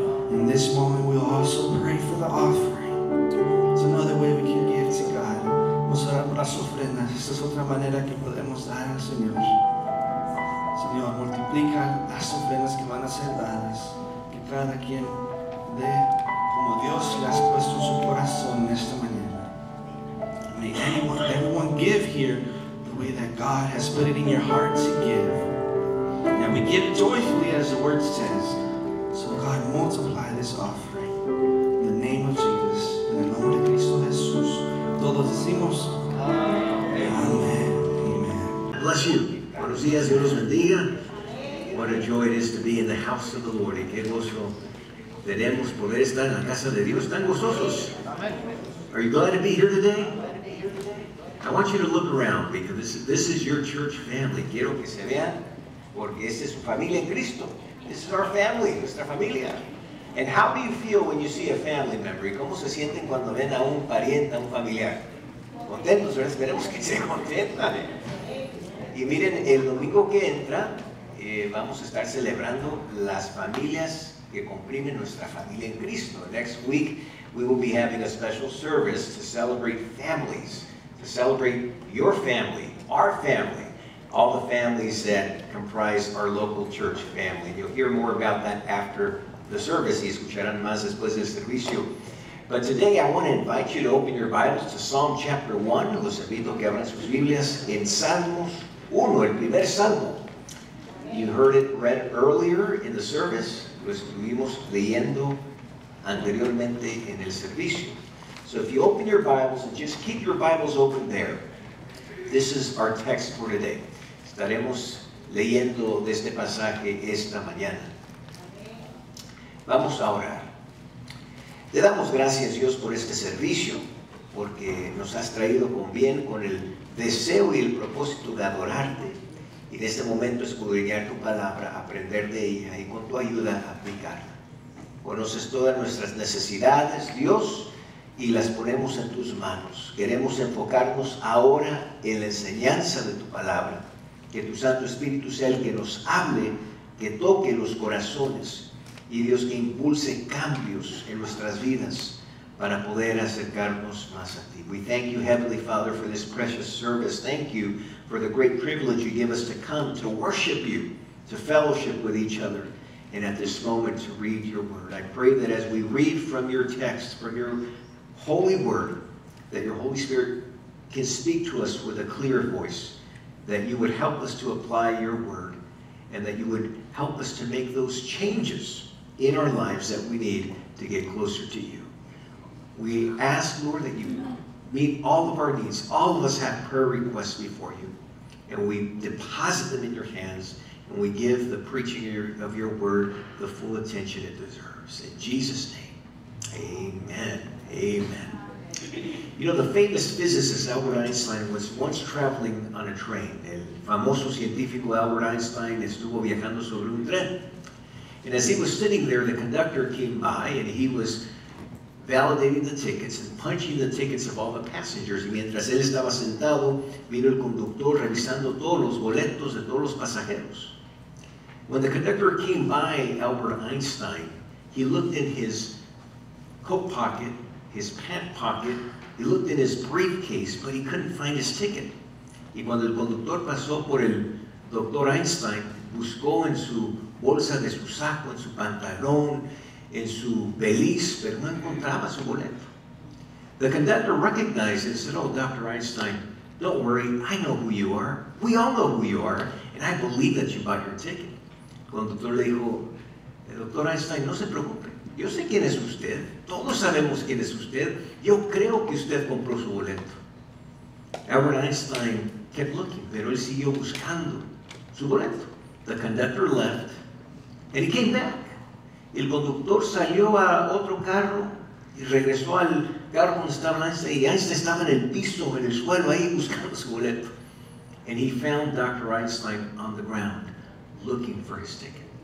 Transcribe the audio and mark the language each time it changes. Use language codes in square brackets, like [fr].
[en] In this moment, we'll also pray for the offering. It's another way we can give to God. [es] Vamos a orar por las ofrendas. Esta es otra manera que podemos dar al Señor. Señor, multiplica las ofrendas que van a ser dadas. Que cada quien dé. Como Dios le has puesto su corazón esta mañana. [en] May everyone give here the way that God has put it in your heart to give. And we give joyfully as the word says. So God, multiply this offering. In the name of Jesus. [es] En el nombre de Cristo Jesús. Todos decimos. Amen. Amen. [en] Bless you. [es] Buenos días. Dios los bendiga. [en] What a joy it is to be in the house of the Lord. [es] Qué gozo. Tenemos poder estar en la casa de Dios, tan gozosos. [en] Are you glad to be here today? I want you to look around because this is your church family. [es] Quiero que se vean porque esta es su familia en Cristo. [en] This is our family, [es] nuestra familia. [en] And how do you feel when you see a family member? [es] ¿Y cómo se sienten cuando ven a un pariente, a un familiar? Contentos, ¿verdad? Esperemos que se contentan. Y miren, el domingo que entra vamos a estar celebrando las familias que comprime nuestra familia en Cristo. [en] Next week, we will be having a special service to celebrate families, to celebrate your family, our family, all the families that comprise our local church family. You'll hear more about that after the service. [es] Y escucharán más después del servicio. [en] But today, I want to invite you to open your Bibles to Psalm chapter 1. [es] Los invito que abran sus Biblias en Salmos 1, el primer Salmo. [en] You heard it read earlier in the service. [es] Lo estuvimos leyendo anteriormente en el servicio. [en] So if you open your Bibles and just keep your Bibles open there, this is our text for today. [es] Estaremos leyendo de este pasaje esta mañana. Vamos a orar. Te damos gracias, Dios, por este servicio, porque nos has traído con bien, con el deseo y el propósito de adorarte. Y en este momento escudriñar tu palabra, aprender de ella y con tu ayuda aplicarla. Conoces todas nuestras necesidades, Dios, y las ponemos en tus manos. Queremos enfocarnos ahora en la enseñanza de tu palabra. Que tu Santo Espíritu sea el que nos hable que toque los corazones y Dios que impulse cambios en nuestras vidas para poder acercarnos más a ti. [en] We thank you, Heavenly Father, for this precious service. Thank you for the great privilege you give us to come to worship you, to fellowship with each other, and at this moment to read your word. I pray that as we read from your text, from your holy word, that your Holy Spirit can speak to us with a clear voice, that you would help us to apply your word, and that you would help us to make those changes in our lives that we need to get closer to you. We ask, Lord, that you meet all of our needs. All of us have prayer requests before you, and we deposit them in your hands, and we give the preaching of your word the full attention it deserves. In Jesus' name, amen. Amen. You know, the famous physicist Albert Einstein was once traveling on a train. [es] El famoso científico Albert Einstein estuvo viajando sobre un tren. [en] And as he was sitting there, the conductor came by and he was validating the tickets and punching the tickets of all the passengers. [es] Y mientras él estaba sentado, vino el conductor revisando todos los boletos de todos los pasajeros. [en] When the conductor came by Albert Einstein, he looked in his coat pocket, his pant pocket, he looked in his briefcase, but he couldn't find his ticket. [es] Y cuando el conductor pasó por el doctor Einstein, buscó en su bolsa de su saco, en su pantalón, en su beliz, pero no encontraba su boleto. [en] The conductor recognized it and said, "Oh, Dr. Einstein, don't worry, I know who you are. We all know who you are, and I believe that you bought your ticket." [es] El conductor le dijo, "Dr. Einstein, no se preocupe. Yo sé quién es usted. Todos sabemos quién es usted. Yo creo que usted compró su boleto." [en] Albert Einstein kept looking, [es] pero él siguió buscando su boleto. [en] The conductor left, and he came back. [es] El conductor salió a otro carro y regresó al carro donde estaba Einstein, y Einstein estaba en el piso, en el suelo, ahí buscando su boleto. [en] And he found Dr. Einstein on the ground, looking for his ticket.